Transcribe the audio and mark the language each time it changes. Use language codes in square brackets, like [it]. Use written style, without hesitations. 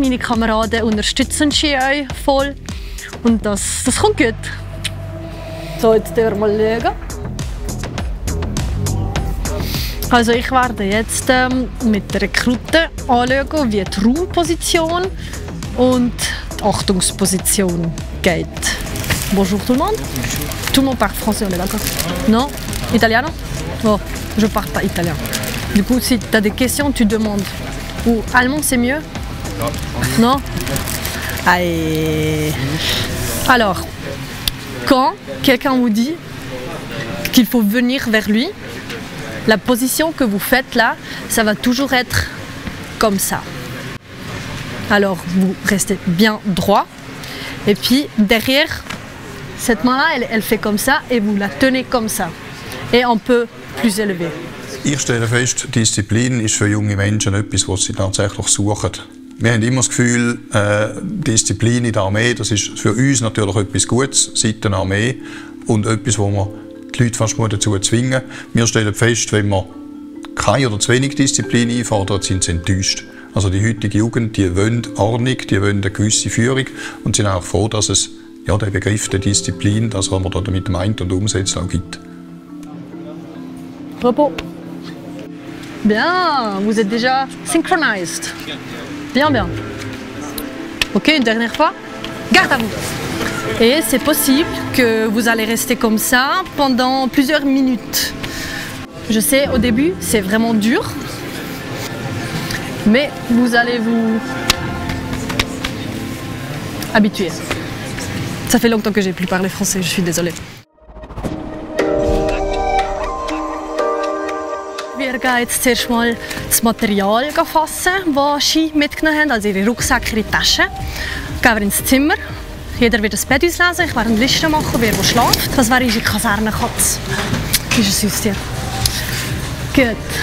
[de] Meine Kameraden unterstützen sie euch voll. Und das kommt gut. So, jetzt dürfen wir mal schauen. Also ich werde jetzt mit den Rekruten anschauen, wie die Raumposition und die Achtungsposition geht. [fr] Bonjour tout le monde. Tout le monde parle français, on est d'accord? Non? Italiano? Oh, je parle pas italien. Du coup, si tu as des questions, tu demandes. Ou allemand, c'est mieux? Non? Allez. Alors, quand quelqu'un vous dit qu'il faut venir vers lui, la position que vous faites là, ça va toujours être comme ça. Alors, vous restez bien droit. Et puis, derrière, cette main-là, elle fait comme ça et vous la tenez comme ça. Et un peu plus élevé. [de] Ich stelle fest, Disziplin ist für junge Menschen etwas, was sie tatsächlich suchen. Wir haben immer das Gefühl, Disziplin in der Armee, das ist für uns natürlich etwas Gutes seit der Armee und etwas, wo man die Leute fast dazu zwingen muss. Wir stellen fest, wenn man keine oder zu wenig Disziplin einfordert, sind sie enttäuscht. Also die heutige Jugend, die wollen Ordnung, die wollen eine gewisse Führung und sind auch froh, dass es ja, den Begriff der Disziplin, das, was man da damit meint und umsetzt, auch gibt. Bravo. [fr] Bien, vous êtes déjà synchronized. Bien, bien. Ok, une dernière fois. Garde à vous. Et c'est possible que vous allez rester comme ça pendant plusieurs minutes. Je sais, au début, c'est vraiment dur. Mais vous allez vous habituer. Ça fait longtemps que j'ai plus parlé français, je suis désolée. [de] Wir gehen jetzt zuerst mal das Material fassen, das Ski mitgenommen haben, also ihre Rucksäcke, ihre Taschen. Gehen wir ins Zimmer. Jeder wird ein Bett auslesen. Ich werde eine Liste machen, wer wo schläft. Das wäre unsere Kasernenkatze. Ist ein süßes Tier. Gut.